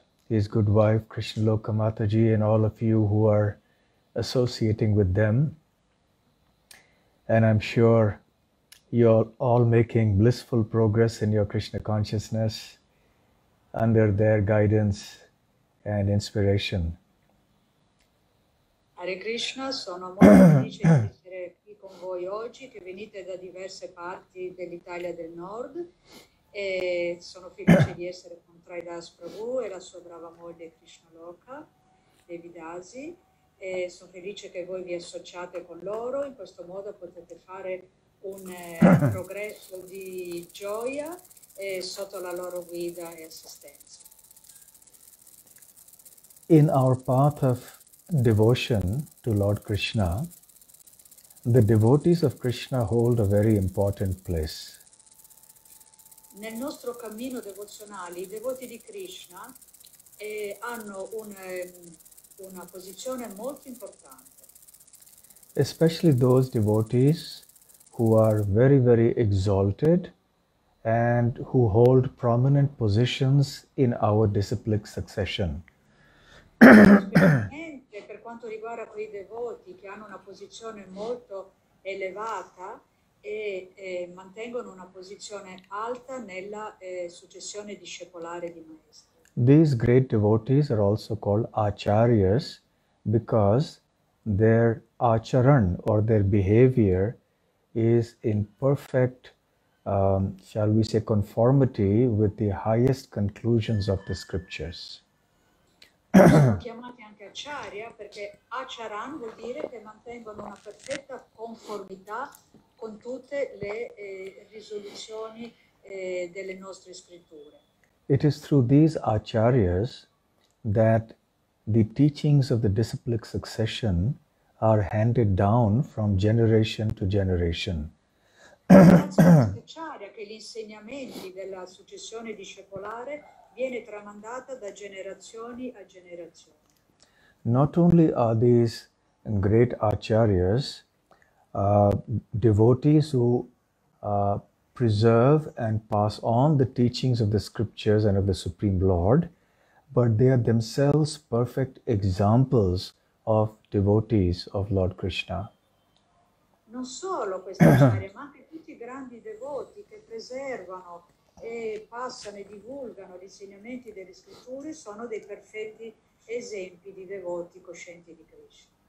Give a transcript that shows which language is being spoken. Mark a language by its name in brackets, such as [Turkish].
[English] his good wife Krishna Loka Mataji and all of you who are associating with them. And I'm sure you're all making blissful progress in your Krishna consciousness under their guidance and inspiration. [Italian] Hare Krishna, sono molto felice di essere qui con voi oggi, che venite da diverse parti dell'Italia del Nord, e sono felice di essere con Traidas Prabhu e la sua brava moglie Krishna Loka, Devi Dasi, e sono felice che voi vi associate con loro, in questo modo potete fare un progresso di gioia sotto la loro guida e assistenza. [English] In our path of devotion to Lord Krishna, the devotees of Krishna hold a very important place. [Italian] Nel nostro cammino devozionale, i devoti di Krishna hanno una posizione molto importante. [English] Especially those devotees who are very, very exalted and who hold prominent positions in our disciplic succession. [Italian] Per quanto riguarda quei devoti che hanno una posizione molto elevata e mantengono una posizione alta nella successione discepolare di maestri. [English] These great devotees are also called acharyas because their acharan or their behavior is in perfect, shall we say, conformity with the highest conclusions of the scriptures. [Italian] Sono chiamati anche acharya perché acharan vuol dire che mantengono una perfetta conformità con tutte le risoluzioni delle nostre scritture. [English] It is through these acharyas that the teachings of the disciplic succession are handed down from generation to generation. [Italian] È grazie a questi acharya che gli insegnamenti della successione discepolare viene tramandata da generazioni a generazioni. [English] Not only are these great acharyas devotees who preserve and pass on the teachings of the scriptures and of the Supreme Lord, but they are themselves perfect examples of devotees of Lord Krishna. [Italian] Non solo questi acharya, ma anche tutti i grandi devoti che preservano e passano e divulgano gli insegnamenti delle scritture sono dei perfetti esempi di devoti coscienti di Krishna.